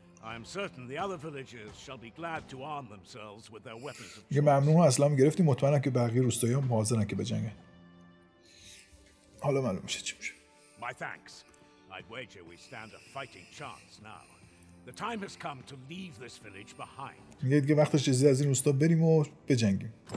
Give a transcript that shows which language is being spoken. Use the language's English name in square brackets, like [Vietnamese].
[English] I am certain the other villagers shall be glad to arm themselves with their weapons. [Persian] یه ممنون اسلام گرفتی، مطمئنم که بقیه روستاییام حاضرن که بجنگن. حالا معلوم میشه چی میشه. [English] My thanks. I'd wager we stand a fighting chance now. The time has come to leave this village behind. [Persian] یه دیگه وقتش چیزی از این روستا بریم و بجنگیم.